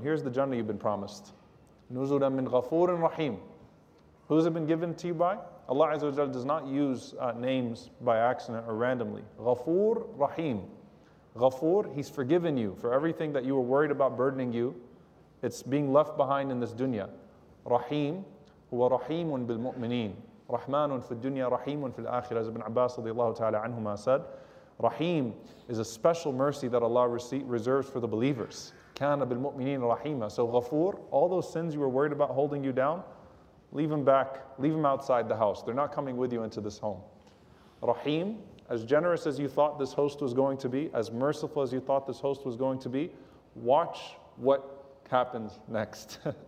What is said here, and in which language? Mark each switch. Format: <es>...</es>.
<en>Here's the jannah you've been promised.</en> <ar>Nuzulan min ghafurin rahim.</ar> <en>Who's it been given to you by? Allah Azza wa Jalla does not use names by accident or randomly. Ghafur rahim. Ghafur, he's forgiven you for everything that you were worried about burdening you. It's being left behind in this dunya. Rahim.</en> <ar>هو رحيم بالمؤمنين رحمن في الدنيا رحيم في الآخرة.</ar> <en>As Ibn Abbas</en> <ar>رضي الله تعالى عنهما</ar> <en>said, رحيم is a special mercy that Allah reserves for the believers.</en> <ar>كان بالمؤمنين رحيما.</ar> <en>So غفور, all those sins you were worried about holding you down, leave them back, leave them outside the house. They're not coming with you into this home. رحيم, as generous as you thought this host was going to be, as merciful as you thought this host was going to be, watch what happens next.</en>